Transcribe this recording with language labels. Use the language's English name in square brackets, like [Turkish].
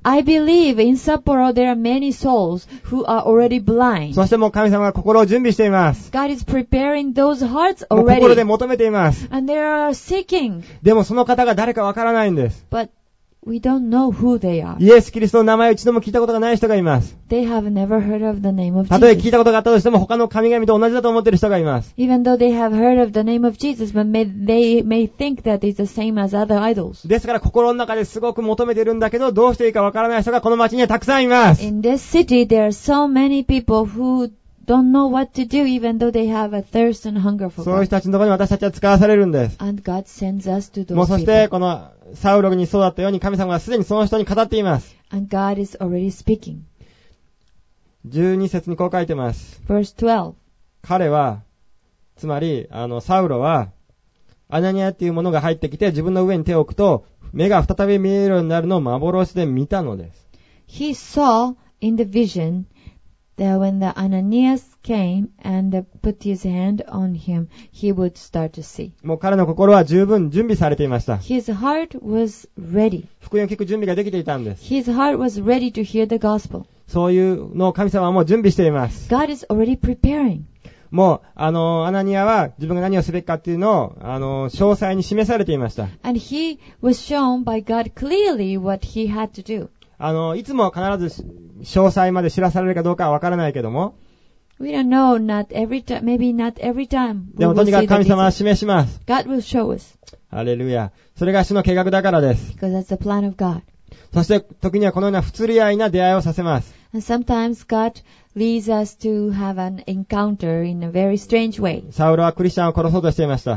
[English] I believe in Sapporo there are many souls who are already blind. [Japanese] そしてもう神様が心を準備しています。 [English] God is preparing those hearts already. [Japanese] 心で求めています。 [English] And they are seeking. [Japanese] でもその方が誰かわからないんです。 [English] But we don't know who they are. [Japanese] イエス・キリストの名前を一度も聞いたことがない人がいます。 [English] They have never heard of the name of Jesus. [Japanese] たとえ聞いたことがあったとしても他の神々と同じだと思っている人がいます。 [English] Even though they have heard of the name of Jesus, but they may think that it's the same as other idols. [Japanese] ですから心の中ですごく求めているんだけど、どうしていいかわからない人がこの街にはたくさんいます。 [English] In this city, there are so many people who don't know what to do, even though they have a thirst and hunger for God. [Japanese] そういう人たちのところに私たちは使わされるんです。 [English] And God sends us to those people. [Japanese] もうそしてこのサウロにそうだったように神様はすでにその人に語っています。 [English] And God is already speaking. [Japanese] 12節にこう書いてます。 [English] Verse 12. [Japanese] 彼は、つまりサウロは、アナニアっていうものが入ってきて自分の上に手を置くと目が再び見えるようになるのを幻で見たのです。 [English] He saw in the vision that when the Ananias came and put his hand on him, he would start to see. [Japanese] もう彼の心は十分準備されていました。 [English] His heart was ready. [Japanese] 福音を聞く準備ができていたんです。 [English] His heart was ready to hear the gospel. [Japanese] そういうのを神様はもう準備しています。 [English] God is already preparing. [Japanese] もうアナニアは自分が何をすべきかっていうのを詳細に示されていました。 [English] And he was shown by God clearly what he had to do. [Japanese] いつも必ず詳細まで知らされるかどうかはわからないけども。 [English] We don't know, not every time, maybe not every time. [Japanese] でもとにかく神様は示します。 [English] God will show us. [Japanese] ハレルヤ。それが主の計画だからです。 [English] Because that's the plan of God. [Japanese] そして時にはこのような不釣り合いな出会いをさせます。 [English] And sometimes God leads us to have an encounter in a very strange way. [Japanese] サウロはクリスチャンを殺そうとしていました。